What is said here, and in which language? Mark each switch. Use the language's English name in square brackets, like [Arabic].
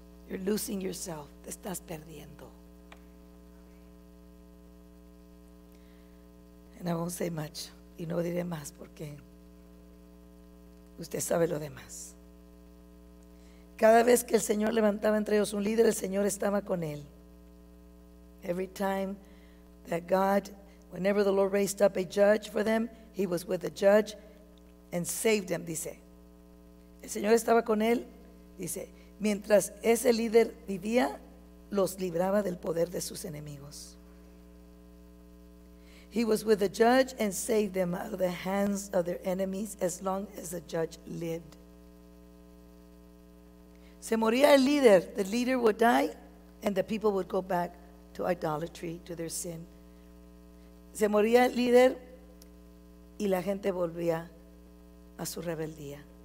[English] You're losing yourself. [Spanish] Te estás perdiendo. [English] And I won't say much. [Spanish] Y no diré más porque usted sabe lo demás. Cada vez que el Señor levantaba entre ellos un líder, el Señor estaba con él. [English] Every time that God, whenever the Lord raised up a judge for them, he was with the judge and saved them, dice. [Spanish] El Señor estaba con él, dice, mientras ese líder vivía, los libraba del poder de sus enemigos. [English] He was with the judge and saved them out of the hands of their enemies as long as the judge lived. [Spanish] Se moría el líder, [English] the leader would die, and the people would go back to idolatry, to their sin. [Spanish] Se moría el líder y la gente volvía a su rebeldía.